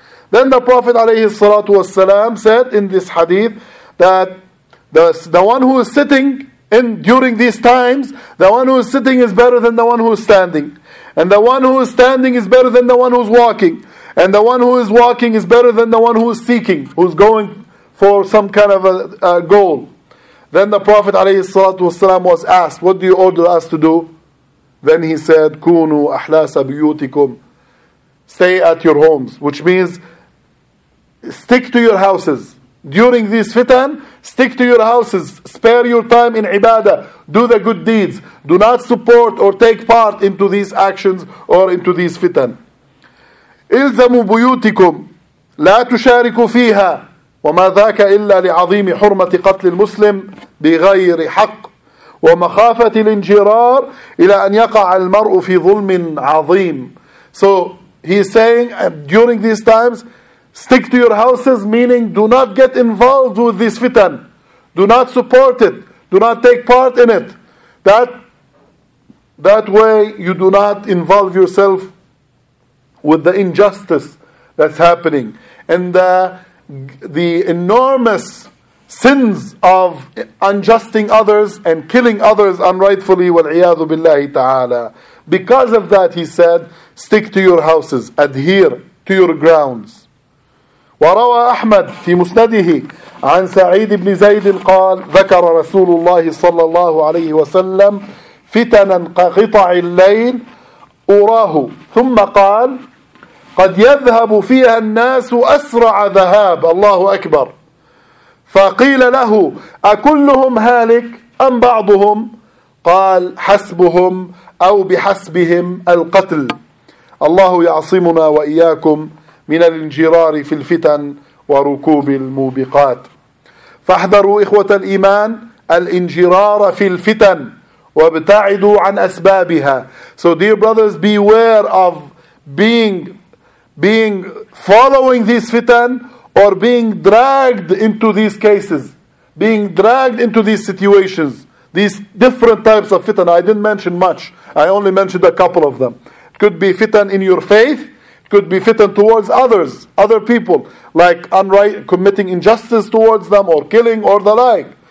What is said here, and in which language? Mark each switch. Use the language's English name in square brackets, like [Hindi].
[English] Then the Prophet [Arabic] عليه الصلاة والسلام [English] said in this hadith that the one who is sitting in during these times, the one who is sitting is better than the one who is standing. And the one who is standing is better than the one who is walking. And the one who is walking is better than the one who is seeking, who is going for some kind of a goal. Then the Prophet [Arabic] عليه الصلاة والسلام [English] was asked, what do you order us to do? Then he said, [Arabic] كُونُوا أَحْلَاسَ بِيُوتِكُمْ. [English] Stay at your homes, which means stick to your houses. During this fitan, stick to your houses. Spare your time in ibadah. Do the good deeds. Do not support or take part into these actions or into these fitan. [Arabic] إِلْزَمُوا بُيُوتِكُمْ لَا تُشَارِكُوا فِيهَا وَمَا ذَاكَ إِلَّا لِعَظِيمِ حُرْمَةِ قَتْلِ الْمُسْلِمِ بِغَيْرِ حَقٍّ. ومخافة الانجرار إلى أن يقع المرء في ظلم عظيم. [English] So he's saying during these times, stick to your houses, meaning do not get involved with this fitan. Do not support it. Do not take part in it. That way you do not involve yourself with the injustice that's happening and the enormous sins of unjusting others and killing others unrightfully. [Arabic] وَالْعِيَاذُ بِاللَّهِ تَعَالَى. [English] Because of that, he said, stick to your houses, adhere to your grounds. [Arabic] وروى أحمد في مسنده عن سعيد بن زيد قال ذكر رسول الله صلى الله عليه وسلم فتنا قطع الليل أراه ثم قال قد يذهب فيها الناس أسرع ذهاب. الله أكبر. فقيل له أكلهم هالك أم بعضهم؟ قال حسبهم أو بحسبهم القتل. الله يعصمنا وإياكم من الانجرار في الفتن وركوب الموبقات. فاحذروا إخوة الإيمان الانجرار في الفتن وابتعدوا عن أسبابها. [English] So dear brothers, beware of being following these fitan or being dragged into these cases, being dragged into these situations, these different types of fitan. I didn't mention much. I only mentioned a couple of them. Could be fitan in your faith, could be fitan towards others, other people, like unright, committing injustice towards them or killing or the like.